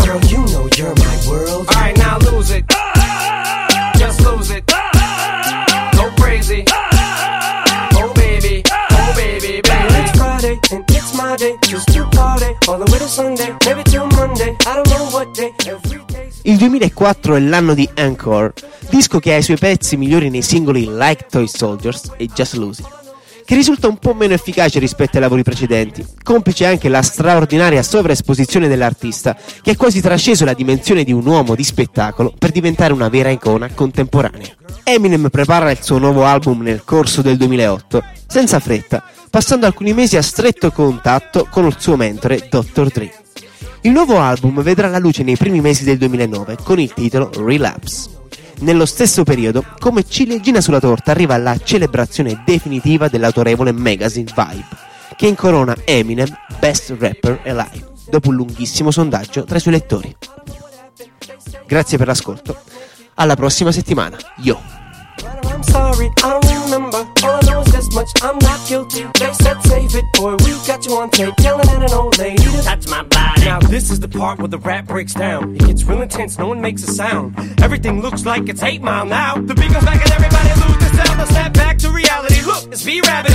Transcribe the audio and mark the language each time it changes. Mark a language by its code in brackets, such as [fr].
[en] Girl, you know you're my world. Alright, now lose it. Just lose it. Go crazy. Oh baby, oh baby, baby. Now it's Friday, and it's my day. Just to party, all the way to Sunday. Maybe till Monday, I don't know what day. [it] Il 2004 è l'anno di Encore, disco che ha i suoi pezzi migliori nei singoli Like Toy Soldiers e Just Lose It, che risulta un po' meno efficace rispetto ai lavori precedenti, complice anche la straordinaria sovraesposizione dell'artista, che ha quasi trasceso la dimensione di un uomo di spettacolo per diventare una vera icona contemporanea. Eminem prepara il suo nuovo album nel corso del 2008, senza fretta, passando alcuni mesi a stretto contatto con il suo mentore Dr. Dre. Il nuovo album vedrà la luce nei primi mesi del 2009 con il titolo Relapse. Nello stesso periodo, come ciliegina sulla torta, arriva la celebrazione definitiva dell'autorevole magazine Vibe, che incorona Eminem Best Rapper Alive, dopo un lunghissimo sondaggio tra i suoi lettori. Grazie per l'ascolto. Alla prossima settimana. [en] Yo! I'm sorry, I don't remember. All I know is this much, I'm not guilty. They said save it, boy, we got you on tape. Telling at an old lady to touch my body. Now this is the part where the rap breaks down. It gets real intense, no one makes a sound. Everything looks like it's 8 Mile now. The beat goes back and everybody lose their sound. They'll snap back to reality. Look, it's B-Rabbit.